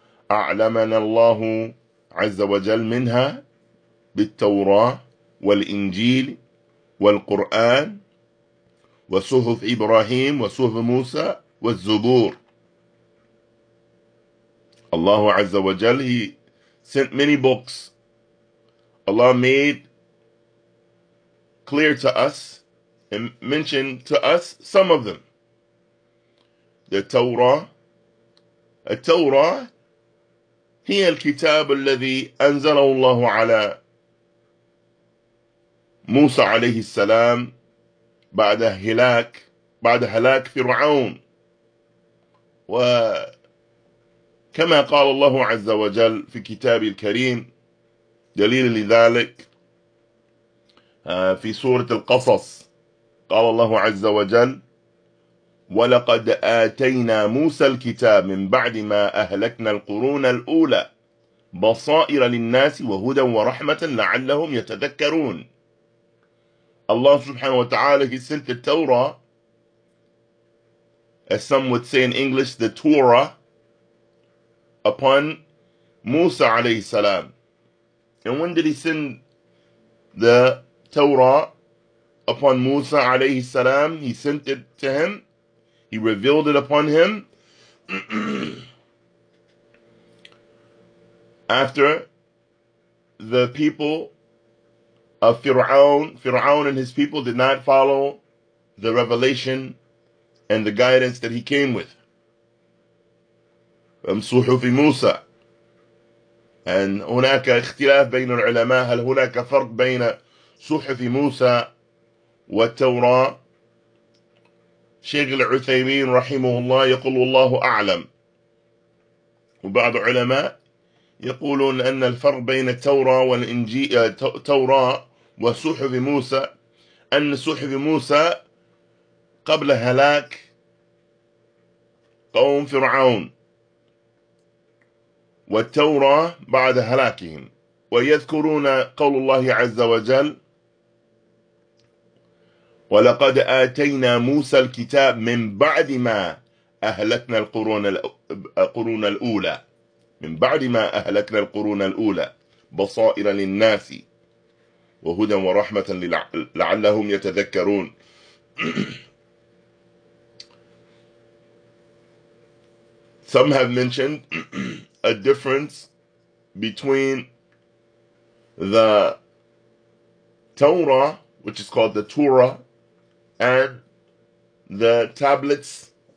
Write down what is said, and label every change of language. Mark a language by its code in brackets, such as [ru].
[ar] أعلمنا الله عز وجل منها بالتوراة والإنجيل والقرآن وصحف إبراهيم وصحف موسى والزبور. [en] الله عز وجل, he sent many books. Allah made clear to us and mentioned to us some of them. The Torah. [ar] التوراه هي الكتاب الذي أنزله الله على موسى عليه السلام بعد هلاك فرعون. وكما قال الله عز وجل في كتاب الكريم دليل لذلك في سورة القصص, قال الله عز وجل ولقد آتينا موسى الكتاب من بعد ما أهلكنا القرون الأولى بصائر للناس وهدى ورحمة لعلهم يتذكرون. [en] Allah subhanahu wa ta'ala, he sent the Torah, as some would say in English, the Torah, upon Musa alayhi salam. And when did he send the Torah upon Musa alayhi salam? He sent it to him, he revealed it upon him after the people of Fir'aun and his people did not follow the revelation and the guidance that he came with. From Suhuf Musa. [ar] And هناك اختلاف بين العلماء, هل هناك فرق بين صحف موسى والتوراة؟ شيخ العثيمين رحمه الله يقول الله أعلم. وبعض العلماء يقولون أن الفرق بين التوراة والإنجيل, التوراة وصحف موسى, أن صحف موسى قبل هلاك قوم فرعون, والتوراة بعد هلاكهم. ويذكرون قول الله عز وجل ولقد آتينا موسى الكتاب من بعد ما أهلكنا القرون الأولى. من بعد ما أهلكنا القرون الأولى بصائر للناس وهدى ورحمة لعلهم يتذكرون. [en] Some have mentioned a difference between the Torah, which is called the Torah, and the tablets.